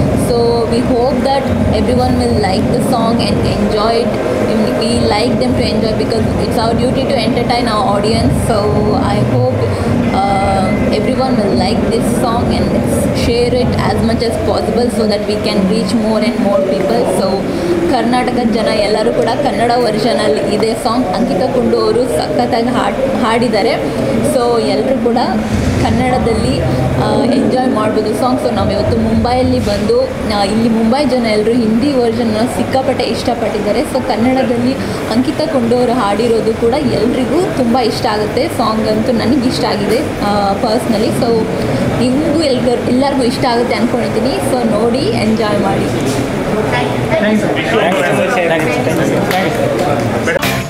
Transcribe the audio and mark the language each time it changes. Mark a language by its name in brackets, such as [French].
[English] So we hope that everyone will like the song and enjoy it. We like them to enjoy because it's our duty to entertain our audience. So I hope everyone will like this song and share it as much as possible so that we can reach more and more people. [Kannada] सो ಕರ್ನಾಟಕದ ಜನ ಎಲ್ಲರೂ ಕೂಡ ಕನ್ನಡ ವರ್ಷನಲ್ಲಿ ಇದೇ song Ankita ಕುಂಡು ಅವರು ಸಖತ್ತಾಗಿ ಹಾಡಿದ್ದಾರೆ. So ಎಲ್ಲರೂ ಕೂಡ ಕನ್ನಡದಲ್ಲಿ ಎಂಜಾಯ್ ಮಾಡ್ಬೋದು ಸಾಂಗ್. ಸೊ ನಾವಿವತ್ತು ಮುಂಬೈಯಲ್ಲಿ ಬಂದು ಇಲ್ಲಿ ಮುಂಬೈ ಜನ ಎಲ್ಲರೂ ಹಿಂದಿ ವರ್ಷನ್ನ ಸಿಕ್ಕಾಪಟ್ಟೆ ಇಷ್ಟಪಟ್ಟಿದ್ದಾರೆ. ಸೊ ಕನ್ನಡದಲ್ಲಿ ಅಂಕಿತಾ ಕುಂಡು ಅವರು ಹಾಡಿರೋದು ಕೂಡ ಎಲ್ರಿಗೂ ತುಂಬ ಇಷ್ಟ ಆಗುತ್ತೆ. ಸಾಂಗ್ ಅಂತೂ ನನಗೆ ಇಷ್ಟ ಆಗಿದೆ ಪರ್ಸ್ನಲಿ. ಸೊ ನಿಮಗೂ ಎಲ್ಲರಿಗೂ ಇಷ್ಟ ಆಗುತ್ತೆ ಅಂದ್ಕೊಂಡಿದ್ದೀನಿ. ಸೊ ನೋಡಿ, ಎಂಜಾಯ್ ಮಾಡಿ. [English] Thank you. Thank you. Thank you. Thank you. Thank you.